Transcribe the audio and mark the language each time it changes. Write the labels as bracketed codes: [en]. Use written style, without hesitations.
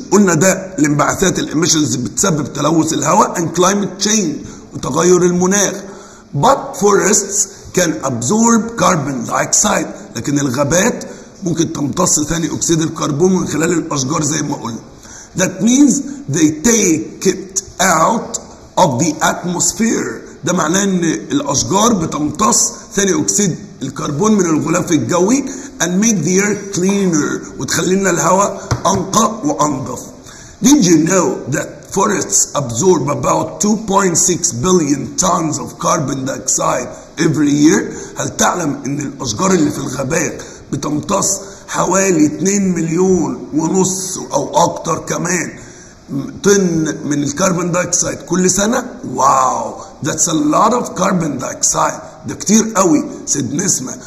[ar] قلنا ده الانبعاثات الاميشنز بتسبب تلوث الهواء [en] and climate change [ar] وتغير المناخ. [en] But forests can absorb carbon dioxide. [ar] لكن الغابات ممكن تمتص ثاني اكسيد الكربون من خلال الاشجار زي ما قلنا. [en] That means they take it out of the atmosphere. [ar] ده معناه ان الاشجار بتمتص ثاني اكسيد الكربون من الغلاف الجوي [en] and make the air cleaner [ar] وتخلينا الهواء انقى وانظف. [en] Did you know that forests absorb about 2.6 billion tons of carbon dioxide every year؟ [ar] هل تعلم ان الاشجار اللي في الغابات بتمتص حوالي 2 مليون ونص او اكتر كمان طن من الكربون دايكسايد كل سنة؟ واو [en] that's a lot of carbon dioxide [ar] ده كتير قوي سيد نسمة.